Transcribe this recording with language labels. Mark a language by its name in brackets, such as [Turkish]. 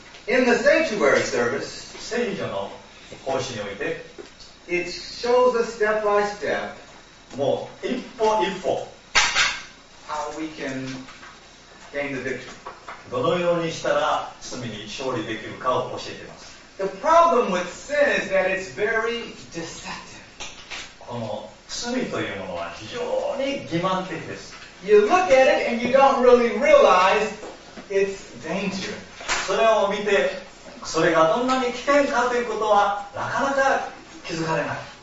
[English] In the sanctuary service, [Japanese] 聖女の奉仕において、 [English] It shows us step by step, [Japanese] もう一歩一歩、 [English] how we can gain the victory. [Japanese] どのようにしたら罪に勝利できるかを教えています。 [English] The problem with sin is that it's very deceptive. [Japanese] この罪というものは非常に欺瞞的です。 [English] You look at it and you don't really realize its danger. [Japanese] それを見て、それがどんなに危険かということはなかなか気づかれない。